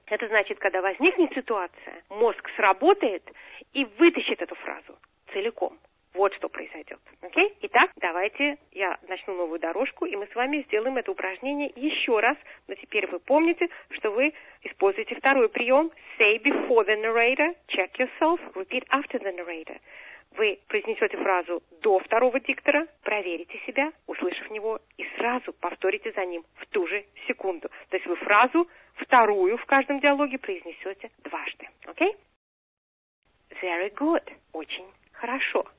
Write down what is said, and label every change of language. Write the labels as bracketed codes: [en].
[ru] Это значит, когда возникнет ситуация, мозг сработает и вытащит эту фразу целиком. Вот что произойдет. Окей? Итак, давайте я начну новую дорожку, и мы с вами сделаем это упражнение еще раз. Но теперь вы помните, что вы используете второй прием. [en] Say before the narrator, check yourself, repeat after the narrator. [ru] Вы произнесете фразу до второго диктора, проверите себя, услышав него, и сразу повторите за ним в ту же секунду. То есть вы фразу вторую в каждом диалоге произнесете дважды. Окей? [en] Very good. [ru] Очень хорошо.